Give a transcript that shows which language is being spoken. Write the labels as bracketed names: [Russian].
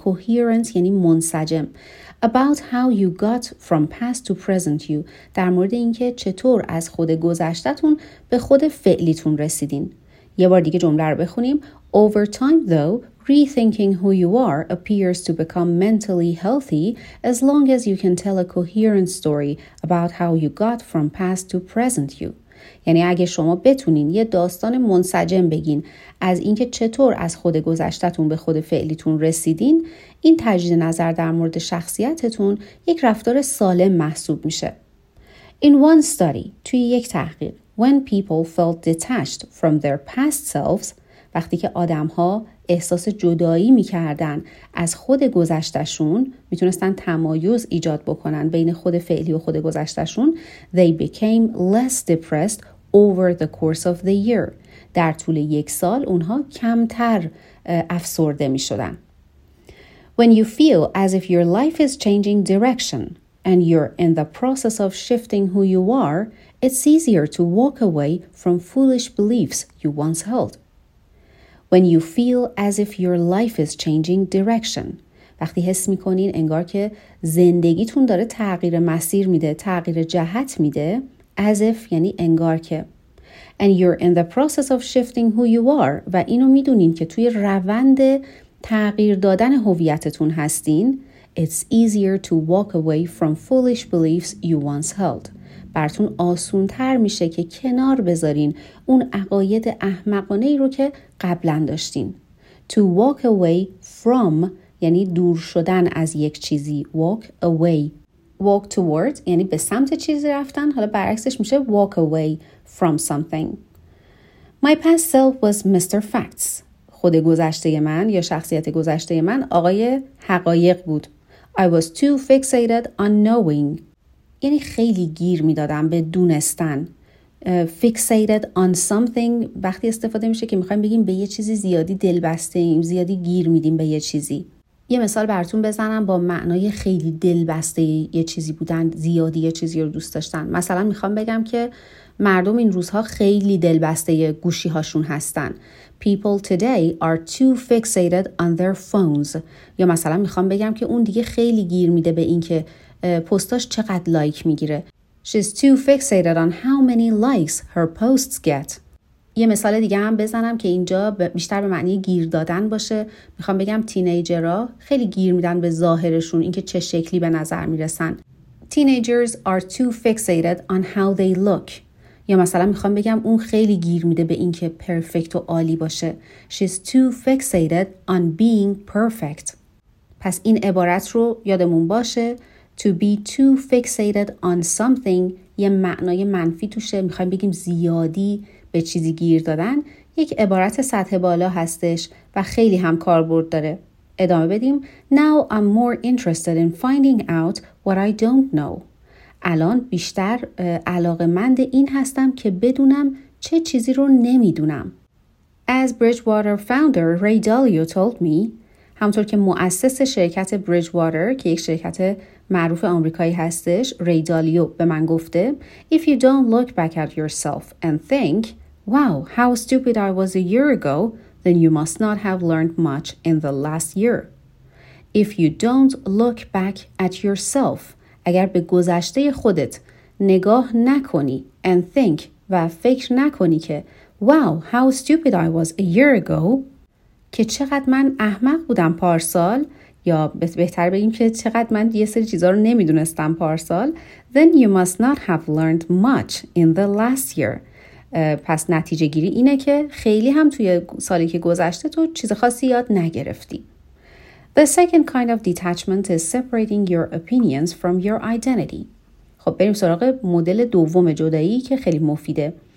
[Persian] Coherent یعنی منسجم. [English] About how you got from past to present you. [Persian] در مورد اینکه چطور از خود گذشتتون به خود فعلیتون رسیدین. یه بار دیگه جمله رو بخونیم. [English] Over time though, rethinking who you are appears to become mentally healthy as long as you can tell a coherent story about how you got from past to present you. [Persian] یعنی اگه شما بتونین یه داستان منسجم بگین از اینکه چطور از خود گذشتتون به خود فعلیتون رسیدین، این تجدید نظر در مورد شخصیتتون یک رفتار سالم محسوب میشه. [English] In one study، [Persian] توی یک تحقیق، [English] when people felt detached from their past selves، [Persian] وقتی که آدم‌ها احساس جدایی می‌کردن از خود گذشته‌شون، [English] می‌تونستن تمایز ایجاد بکنن بین خود فعلی و خود گذشته‌شون، they became less depressed over the course of the year. [Persian] در طول یک سال اونها کمتر افسرده می‌شدن. [English] When you feel as if your life is changing direction and you're in the process of shifting who you are, it's easier to walk away from foolish beliefs you once held. When you feel as if your life is changing direction. [Persian] وقتی حس میکنین انگار که زندگیتون داره تغییر مسیر میده، تغییر جهت میده. [English] As if [Persian] یعنی انگار که. [English] And you're in the process of shifting who you are. [Persian] و اینو میدونین که توی روند تغییر دادن هویتتون هستین. [English] It's easier to walk away from foolish beliefs you once held. [Persian] براتون آسون تر میشه که کنار بذارین اون عقاید احمقانه ای رو که قبلا داشتین. [English] To walk away from [Persian] یعنی دور شدن از یک چیزی. [English] Walk away. Walk toward [Persian] یعنی به سمت چیزی رفتن. حالا برعکسش میشه [English] walk away from something. My past self was Mr. Facts. [Persian] خود گذشته من یا شخصیت گذشته من آقای حقایق بود. [English] I was too fixated on knowing. [Persian] یعنی خیلی گیر میدادم به دونستن. [English] Fixated on something [Persian] وقتی استفاده میشه که میخوایم بگیم به یه چیزی زیادی دلبسته ایم، زیادی گیر میدیم به یه چیزی. یه مثال براتون بزنم با معنای خیلی دلبسته یه چیزی بودن، زیادی یه چیزی رو دوست داشتن. مثلا میخوام بگم که مردم این روزها خیلی دلبسته گوشی هاشون هستن. [English] People today are too fixated on their phones. [Persian] یا مثلا میخوام بگم که اون دیگه خیلی گیر میده به این که پستاش چقدر لایک میگیره. [English] She's too fixated on how many likes her posts get. [Persian] یه مثال دیگه هم بزنم که اینجا بیشتر به معنی گیر دادن باشه. میخوام بگم تینیجرها خیلی گیر میدن به ظاهرشون، اینکه چه شکلی به نظر میرسن. [English] Teenagers are too fixated on how they look. [Persian] یا مثلا میخوام بگم اون خیلی گیر میده به اینکه پرفکت و عالی باشه. [English] She's too fixated on being perfect. [Persian] پس این عبارت رو یادمون باشه. [English] To be too fixated on something [Persian] یه معنای منفی توشه. میخوایم بگیم زیادی به چیزی گیر دادن. یک عبارت سطح بالا هستش و خیلی هم کاربرد داره. ادامه بدیم. [English] Now I'm more interested in finding out what I don't know. [Persian] الان بیشتر علاقه‌مند این هستم که بدونم چه چیزی رو نمیدونم. [English] As Bridgewater founder Ray Dalio told me، [Persian] همونطور که مؤسس شرکت Bridgewater که یک شرکت معروف آمریکایی هستش، Ray Dalio به من گفته، [English] If you don't look back at yourself and think، Wow, how stupid I was a year ago، then you must not have learned much in the last year. If you don't look back at yourself، [Persian] اگر به گذشته خودت نگاه نکنی [English] and think [Persian] و فکر نکنی که [English] wow how stupid I was a year ago [Persian] که چقدر من احمق بودم پارسال، یا بهتر بگیم که چقدر من یه سری چیزا رو نمیدونستم پارسال، [English] then you must not have learned much in the last year. [Persian] پس نتیجه گیری اینه که خیلی هم توی سالی که گذشته تو چیز خاصی یاد نگرفتی. [English] The second kind of detachment is separating your opinions from your identity. [Persian] خب بریم سراغ مدل دوم جدایی که خیلی مفیده.